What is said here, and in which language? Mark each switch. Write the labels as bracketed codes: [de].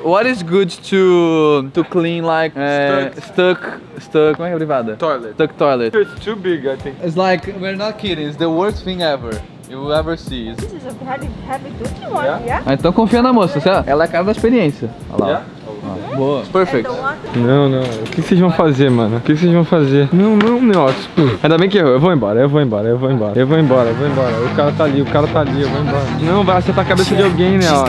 [en] What is good to clean, like, stuck, [pt] como é que é privada? [en] Toilet. Stuck toilet. It's too big, I think. It's like, we're not kidding, it's the worst thing ever. You will ever see. This is a very heavy duty one, yeah? [pt] Então confia na moça, certo? Ela é a cara da experiência. Olha lá. [en] Yeah? [pt] Boa. [en] Perfect. [pt] Não, não. O que vocês vão fazer, mano? O que vocês vão fazer? Não, negócio. Ainda bem que eu vou embora. Eu vou embora. O cara tá ali. Eu vou embora. Não, vai acertar a cabeça de alguém, né?